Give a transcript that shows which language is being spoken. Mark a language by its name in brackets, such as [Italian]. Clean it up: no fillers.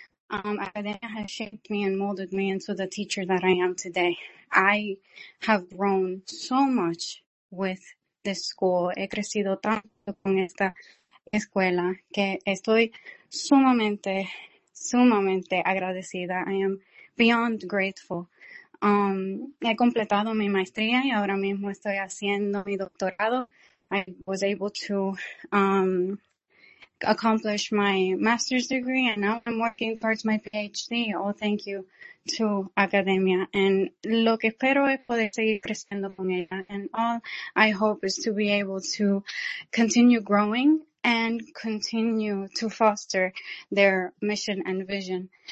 [English] Academia has shaped me and molded me into the teacher that I am today. I have grown so much with this school. [Spanish] He crecido tanto con esta escuela que estoy sumamente, sumamente agradecida. [English] I am beyond grateful. [Spanish] He completado mi maestría y ahora mismo estoy haciendo mi doctorado. [English] I was able to accomplish my master's degree and now I'm working towards my PhD. Oh, thank you to Academia. And [Spanish] lo que espero es poder seguir creciendo con ella. [English] And all I hope is to be able to continue growing and continue to foster their mission and vision.